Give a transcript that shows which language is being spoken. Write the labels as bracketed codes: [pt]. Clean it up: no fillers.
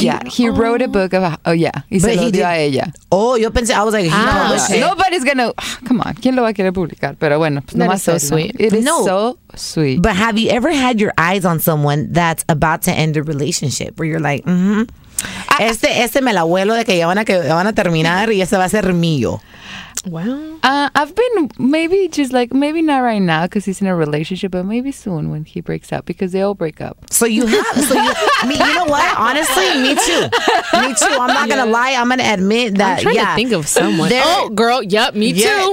[en] He wrote a book of, oh yeah. He said, oh, [es] yo pensé, [en] I was like, he published it. Nobody's gonna, come on, [es] ¿quién lo va a querer publicar? Pero bueno, [en] it is so sweet. But have you ever had your eyes on someone that's about to end a relationship where you're like, mm-hmm. [es] Este me la vuelo de que ya van a terminar y ese va a ser mío. [en] Well, I've been maybe not right now because he's in a relationship, but maybe soon when he breaks up, because they all break up. So you have, you know what? Honestly, me too. I'm not gonna lie. I'm gonna admit that. I'm trying to think of someone. Oh, girl. Yep, me too.